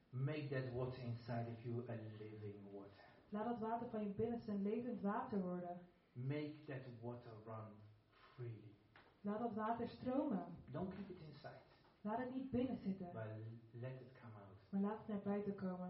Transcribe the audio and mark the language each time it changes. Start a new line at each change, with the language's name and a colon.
English: Make that water inside of you a living water.
Dutch: Laat dat water van je binnenste een levend water worden.
English: Make that water run freely.
Dutch: Laat dat water stromen.
English: Don't keep it inside.
Dutch: Laat het niet binnen zitten.
English: But let it come out.
Dutch: Maar laat het naar buiten komen.